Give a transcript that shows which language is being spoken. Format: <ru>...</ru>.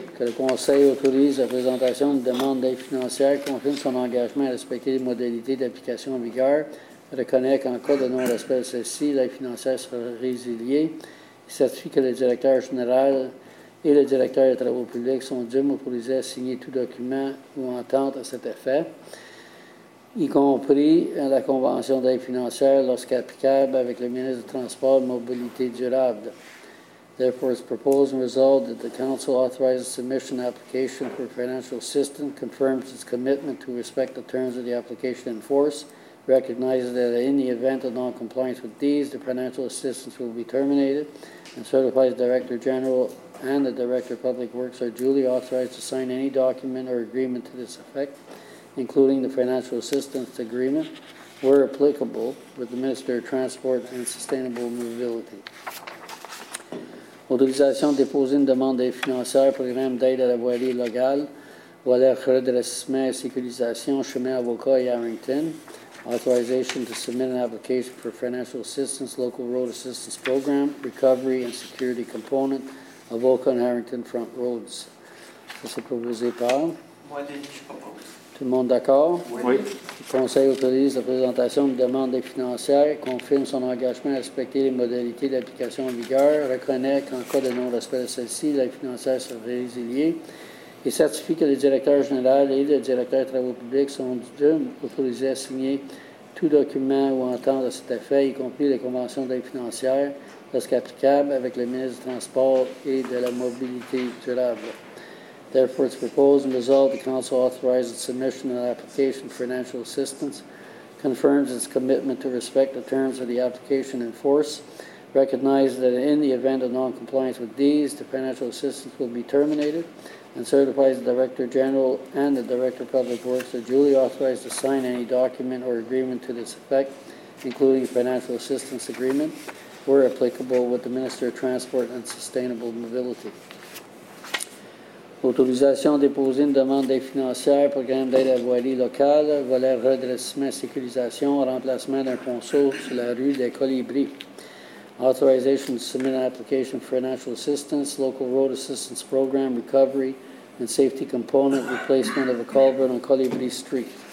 <fr>Que le Conseil autorise la présentation d'une demande d'aide financière confirme son engagement à respecter les modalités d'application en vigueur, reconnaît qu'en cas de non-respect de celle-ci, l'aide financière sera résiliée, et certifie que le directeur général et le directeur des travaux publics sont dûment autorisés à signer tout document ou entente à cet effet, y compris la convention d'aide financière lorsqu'applicable avec le ministre des Transports et Mobilité durable.</fr> <en>Therefore, it's proposed and resolved that the Council authorizes submission application for financial assistance, confirms its commitment to respect the terms of the application in force, recognizes that in the event of non-compliance with these, the financial assistance will be terminated, and certifies the Director General and the Director of Public Works are duly authorized to sign any document or agreement to this effect, including the financial assistance agreement, where applicable, with the Minister of Transport and Sustainable Mobility.</en> <fr>Autorisation de déposer une demande d'aide financière, programme d'aide à la voirie locale, voilà redressement et sécurisation, chemin avocat à Yarrington.</fr> <en>Authorization to submit an application for financial assistance, local road assistance program, recovery and security component, Avoca and Harrington Front Roads.</en> <fr>Ça, c'est proposé par. Moi, Denis, je propose. Tout le monde d'accord? Oui. Le Conseil autorise la présentation d'une demande d'aide financière, confirme son engagement à respecter les modalités d'application en vigueur, reconnaît qu'en cas de non-respect de celle-ci, l'aide financière sera résiliée. Et certifie que le directeur général et le directeur des travaux publics sont autorisés à signer tout document ou entente à cet effet, y compris les conventions d'aide financière, lorsqu'applicable, avec le ministre des Transports et de la Mobilité durable.</fr> <en>Therefore, it's proposed and resolved the Council authorizes submission of an application for financial assistance, confirms its commitment to respect the terms of the application in force, recognizes that in the event of non-compliance with these, the financial assistance will be terminated, and certifies the Director General and the Director of Public Works are duly authorized to sign any document or agreement to this effect, including a financial assistance agreement, where applicable with the Minister of Transport and Sustainable Mobility.</en> <fr>Autorisation de déposer une demande d'aide financière pour programme d'aide à la voirie locale, volet redressement, sécurisation, remplacement d'un ponceau sur la rue des Colibris.</fr> <en>Authorization to submit an application for financial assistance, local road assistance program, recovery and safety component, replacement of a culvert on Colibri Street.</en>